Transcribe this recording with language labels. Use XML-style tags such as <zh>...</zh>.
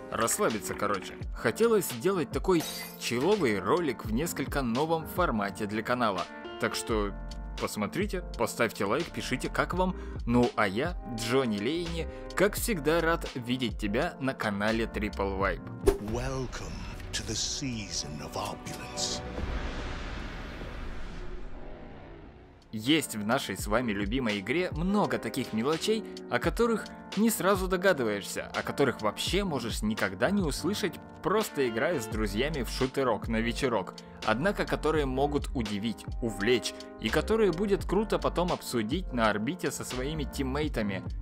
<ru>Расслабиться, короче. Хотелось сделать такой человый ролик в несколько новом формате для канала. Так что посмотрите, поставьте лайк, пишите, как вам. Ну а я, Джонни Лейни, как всегда рад видеть тебя на канале Triple Vibe.</ru> <en>Welcome to the season of opulence.</en> <ru>Есть в нашей с вами любимой игре много таких мелочей, о которых не сразу догадываешься, о которых вообще можешь никогда не услышать, просто играя с друзьями в шутерок на вечерок, однако которые могут удивить, увлечь, и которые будет круто потом обсудить на орбите со своими тиммейтами.</ru>